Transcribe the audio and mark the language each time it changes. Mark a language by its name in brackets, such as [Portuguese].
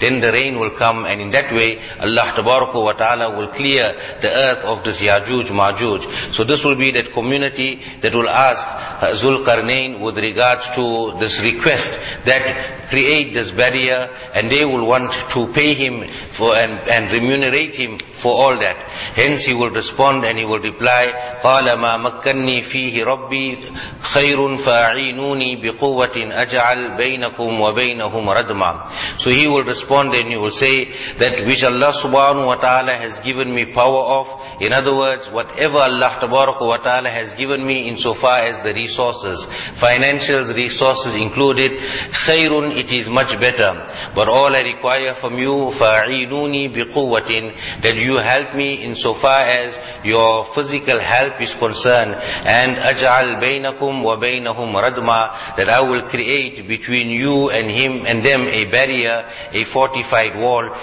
[English] Then the rain will come, and in that way Allah tabaraka wa ta'ala will clear the earth of this Yajuj Majuj. So this will be that community that will ask Zulkarnain with regards to this request, that create this barrier, and they will want to pay him for and remunerate him for all that. Hence he will respond and he will reply, [Arabic] قَالَ مَا مَكَّنِّي فِيهِ رَبِّي خَيْرٌ فَأَعِينُونِي بِقُوَّةٍ أَجْعَلْ بَيْنَكُمْ وَبَيْنَهُمْ رَدْمًا. [English] So he will respond and he will say that which Allah subhanahu wa ta'ala has given me power of. In other words, whatever Allah tabaraka wa ta'ala has given me insofar as the resources, financial resources included, خَيْرٌ, it is much better. But all I require from you, [Arabic] فَأَعِينُونِي بِقُوَّةٍ, [English] that you help me insofar as your physical help is concerned, and [Arabic] أَجْعَلْ بَيْنَكُمْ وَبَيْنَهُمْ رَدْمًا, [English] that I will create between you and him and them a barrier, a fortified wall.